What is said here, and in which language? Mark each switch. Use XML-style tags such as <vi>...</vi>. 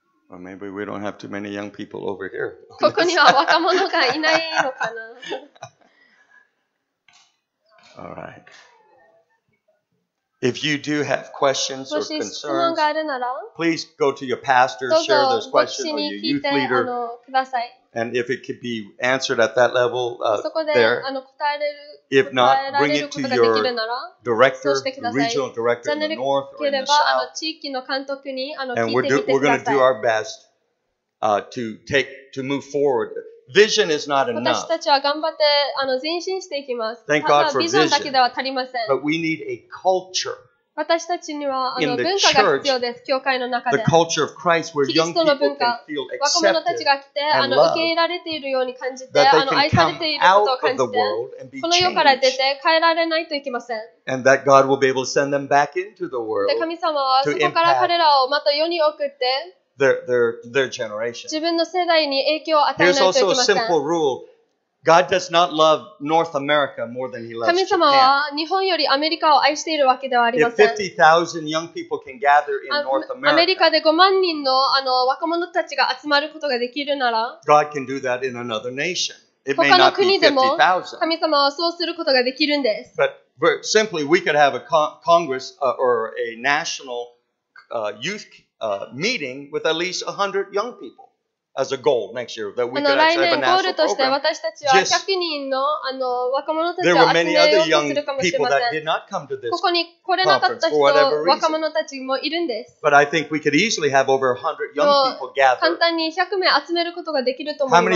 <en>Well, maybe we don't have too many young people over here.</en> <ja>ここには若者がいないのかな?</ja> <en>All right. If you do have questions or concerns, please go to your pastor, share those questions with your youth leader. And if it could be answered at that level, there. If not, bring it to your director, regional director in the north or in the south. And we're going to do our best to move forward. Vision is not enough.</en> <ja>私たちは頑張って前進していきます。</ja> <en>Thank God for vision.</en> <ja>ただビジョンだけでは足りません。</ja> <en>But we need a culture.</en> <ja>私たちには文化が必要です。教会の中で。</ja> <en>The culture of Christ where young people can feel accepted and loved.</en> <ja>若者たちが来て受け入れられているように感じて、愛されていることを感じて、この世から出て変えられないといけません。</ja> <en>And that God will be able to send them back into the world.</en> <ja>で、神様はそこから彼らをまた世に送って。</ja> <en>Their generation.</en> <ja>自分の世代に影響を与えないといけません。</ja> <en>There's also a simple rule. God does not love North America more than He loves Japan.</en> <ja>神様は日本よりアメリカを愛しているわけではありません。</ja> <en>If 50,000 young people can gather in North America,</en> <ja>アメリカで5万人の若者たちが集まることができるなら、</ja> <en>God can do that in another nation. It may not be 50,000.</en> <ja>神様はそうすることができるんです。</ja> <en>But simply, we could have a congress or a national youth. Meeting with at least 100 young people as a goal next year that we could actually have a national program.</en> <ja>来年ゴールとして私たちは100人の若者たちを集めようとするかもしれません。</ja> <en>That did not come to this</en> <ja>ここに来れなかった人、若者たちもいるんです。</ja> <en>But I think we could easily have over 100 young people gather.</en> <ja>簡単に100名集めることができると思います。</ja>